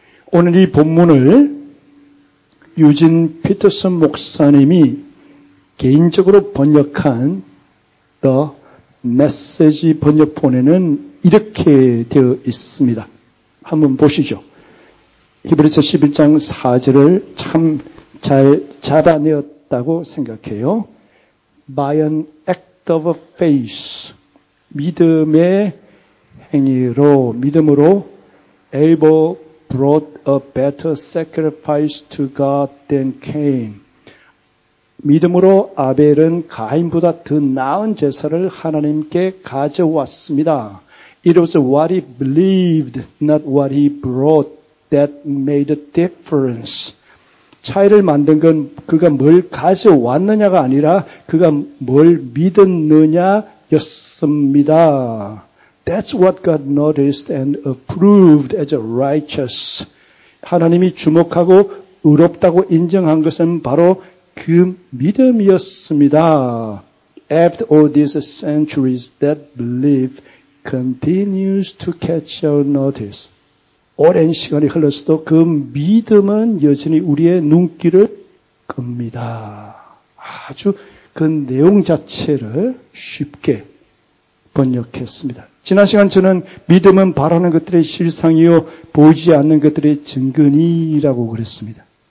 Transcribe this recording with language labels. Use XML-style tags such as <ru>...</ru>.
<ko>오늘 이 본문을 유진 피터슨 목사님이 개인적으로 번역한 The Message 번역본에는 이렇게 되어 있습니다. 한번 보시죠. 히브리서 11장 4절을 참 잘 잡아내었다 라고 생각해요.</ko> <en>By an act of faith,</en> <ko>믿음의 행위로, 믿음으로</ko> <en>Abel brought a better sacrifice to God than Cain.</en> <ko>믿음으로 아벨은 가인보다 더 나은 제사를 하나님께 가져왔습니다.</ko> <en>It was what he believed, not what he brought that made a difference.</en> <ko>차이를 만든 건 그가 뭘 가져왔느냐가 아니라 그가 뭘 믿었느냐였습니다.</ko> <en>That's what God noticed and approved as a righteous.</en> <ko>하나님이 주목하고 의롭다고 인정한 것은 바로 그 믿음이었습니다.</ko> <en>After all these centuries, that belief continues to catch your notice.</en> <ko>오랜 시간이 흘렀어도 그 믿음은 여전히 우리의 눈길을 끕니다. 아주 그 내용 자체를 쉽게 번역했습니다. 지난 시간 저는 믿음은 바라는 것들의 실상이요 보이지 않는 것들의 증거니라고 그랬습니다.</ko>